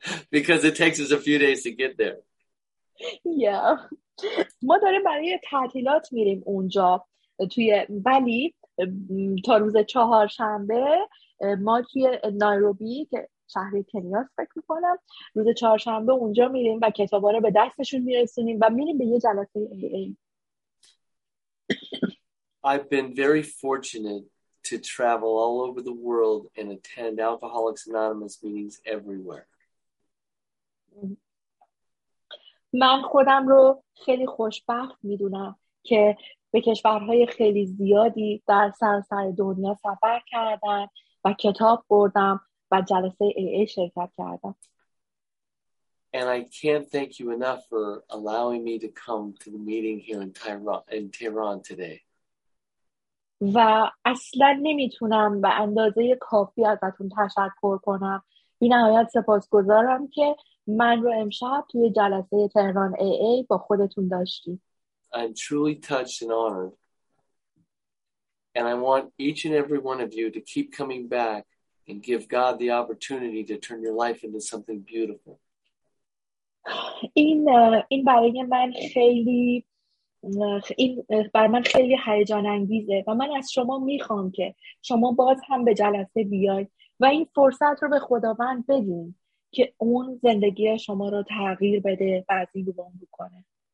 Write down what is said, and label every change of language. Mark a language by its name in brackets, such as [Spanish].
[English] Because it takes us a few days to get there. Yeah. [Persian] ما داریم برای تعطیلات میریم اونجا توی ولی تا روز چهارشنبه ما توی نایروبی که شهر کنیا فکر می‌کنم روز چهارشنبه اونجا میریم و کتابا رو به دستشون میرسونیم و میریم به یه جلسه AA. [English] I've been very fortunate to travel all over the world and attend Alcoholics Anonymous meetings everywhere. [Persian] من خودم رو خیلی خوشبخت میدونم که به کشورهای خیلی زیادی در سراسر دنیا سفر کردم و کتاب بردم و جلسه AA شرکت کردم. [English] And I can't thank you enough for allowing me to come to the meeting here in Tehran today. [Persian] و اصلا نمیتونم به اندازه کافی ازتون تشکر کنم. بی نهایت سپاسگزارم که من رو امشب توی جلسه تهران ای ای با خودتون داشتید. [English] I'm truly touched and honored. And I want each and every one of you to keep coming back and give God the opportunity to turn your life into something beautiful. [Persian] این برای من خیلی این برای من خیلی هیجان انگیزه و من از شما میخوام که شما باز هم به جلسه بیاید و این فرصت رو به خداوند بدین که اون زندگی شما رو تغییر بده و از این روان بکنه.